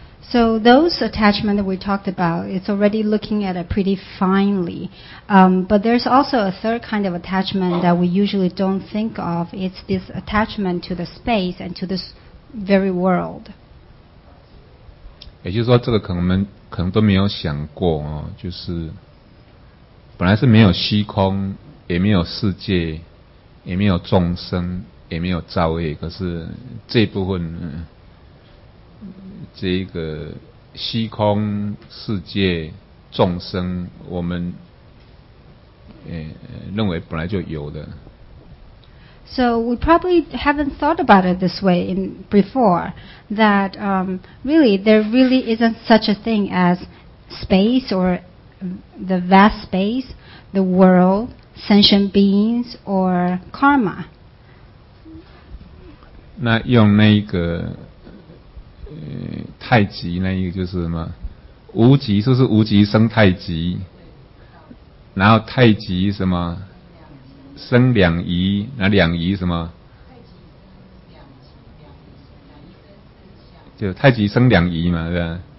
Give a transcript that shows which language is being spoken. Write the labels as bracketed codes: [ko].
[en] So those attachment that we talked about, it's already looking at it pretty finely. But there's also a third kind of attachment that we usually don't think of. It's this attachment to the space and to this very world. [zh] 也就是说这个可能都没有想过，就是本来是没有虚空，也没有世界，也没有众生，也没有造业，可是这部分这一个虚空世界众生，我们认为本来就有的。 [en] So we probably haven't thought about it this way in before. That really there really isn't such a thing as space or the vast space, the world, sentient beings or karma. [zh] 那用那一个。太极那一个就是什么无极，是不是无极生太极，然后太极什么生两仪，那两仪什么就太极生两仪嘛，对吧？